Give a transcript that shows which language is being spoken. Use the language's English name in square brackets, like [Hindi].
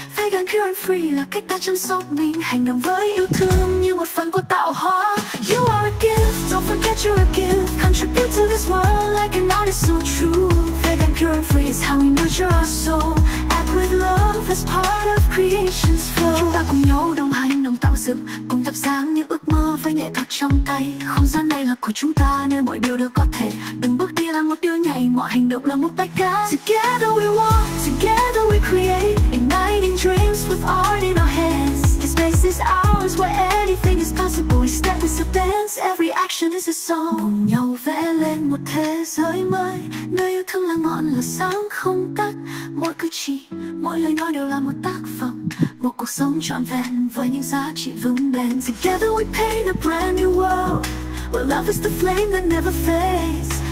[English] Vegan cure free [Vietnamese] là cách ta chăm sóc mình, hành động với yêu thương như một phần của tạo hóa. [English] You are a gift, don't forget you're a gift. Contribute to this world like an artist so true. Vegan cure free is how we nurture our soul. Act with love as part of creation's flow. [Vietnamese] Chúng ta cùng nhau đồng hành, đồng tạo dựng, cùng thắp sáng những ước mơ với nghệ thuật trong tay. Không gian này là của chúng ta, nơi mọi điều đều có thể. Từng bước đi là một đứa nhảy, mọi hành động là một bài ca. [English] Together we walk, together we create, igniting dreams with art in our hands. This space is ours, where anything is possible. Each step is a dance, every action is a song. [Vietnamese] Cùng nhau vẽ lên một thế giới mới, nơi yêu thương là ngọn lửa sáng không tắt. Mỗi cử chỉ, mỗi lời nói đều là một tác phẩm, một cuộc sống trọn vẹn với những giá trị vững bền. [English] Together we paint a brand new world, where love is the flame that never fades.